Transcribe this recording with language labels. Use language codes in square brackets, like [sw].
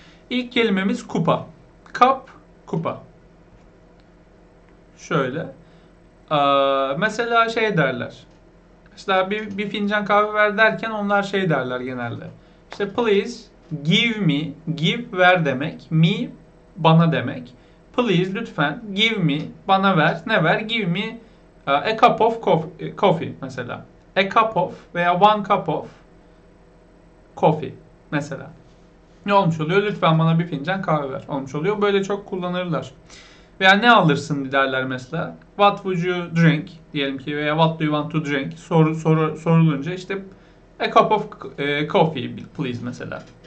[tr] İlk kelimemiz kupa. Cup, kupa. Şöyle. Mesela şey derler. Mesela bir fincan kahve ver derken onlar şey derler genelde. İşte [en] please give me, give [tr] ver demek. Me bana demek. Please lütfen [en] give me, [tr] bana ver. Ne ver? [en] Give me a cup of coffee mesela. A cup of veya one cup of coffee mesela. [tr] Ne olmuş oluyor? Lütfen bana bir fincan kahve ver. Olmuş oluyor. Böyle çok kullanırlar. Veya ne alırsın derler mesela. [en] What would you drink [tr] diyelim ki veya [en] what do you want to drink [tr] sorulunca işte [en] a cup of coffee please mesela.